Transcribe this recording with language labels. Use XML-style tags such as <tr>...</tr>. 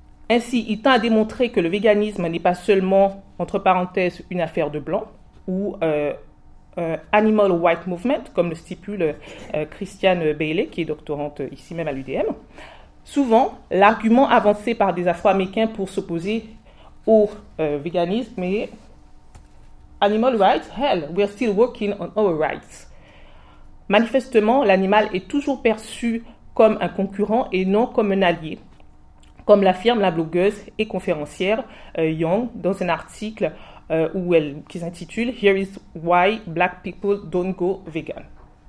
<fr>Ainsi, il tend à démontrer que le véganisme n'est pas seulement, entre parenthèses, une affaire de blanc ou Animal White Movement, comme le stipule Christiane Bailey, qui est doctorante ici même à l'UDM. Souvent, l'argument avancé par des Afro-Américains pour s'opposer au véganisme est</fr> <en>Animal rights? Hell, we're still working on our rights.</en> <fr>Manifestement, l'animal est toujours perçu comme un concurrent et non comme un allié, comme l'affirme la blogueuse et conférencière Young dans un article qui s'intitule « Here is why black people don't go vegan ».</fr>